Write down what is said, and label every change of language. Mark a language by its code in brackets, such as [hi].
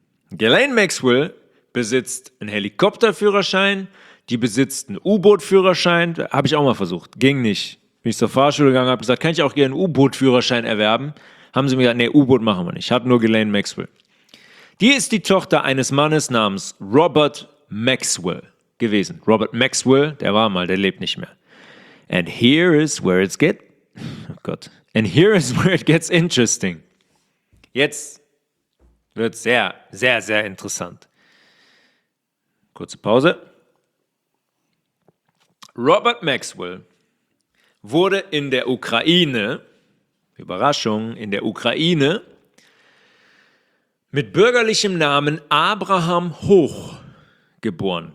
[de] Ghislaine Maxwell besitzt einen Helikopterführerschein, die besitzt einen U-Boot-Führerschein, habe ich auch mal versucht, ging nicht. Bin ich zur Fahrschule gegangen, habe gesagt, kann ich auch gerne einen U-Boot-Führerschein erwerben? Haben sie mir gesagt, nee, U-Boot machen wir nicht, hat nur Ghislaine Maxwell. Die ist die Tochter eines Mannes namens Robert Maxwell gewesen. Robert Maxwell, der war mal, der lebt nicht mehr. [en] And here is where it gets interesting. [de] Jetzt wird sehr, sehr, sehr interessant. Kurze Pause. Robert Maxwell wurde in der Ukraine, Überraschung, in der Ukraine mit bürgerlichem Namen Abraham Hoch geboren.